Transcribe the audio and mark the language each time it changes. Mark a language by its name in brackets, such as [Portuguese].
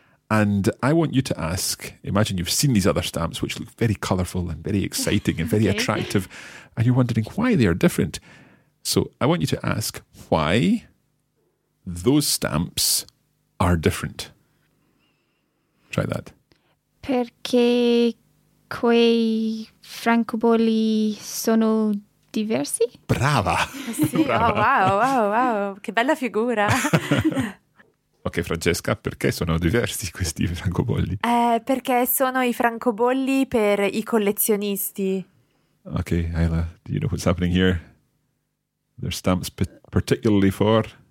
[English] And I want you to ask, imagine you've seen these other stamps which look very colourful and very exciting and very okay. attractive, and you're wondering why they are different. So I want you to ask why those stamps are different. Try that. [Italian] Perché quei francobolli sono diversi? Brava! Sì. Brava. Oh, wow, che bella figura! Ok, Francesca, perché sono diversi questi francobolli? Perché sono i francobolli per i collezionisti. [English] Ok, Ayla, do you know what's happening here? They're stamps particularly for?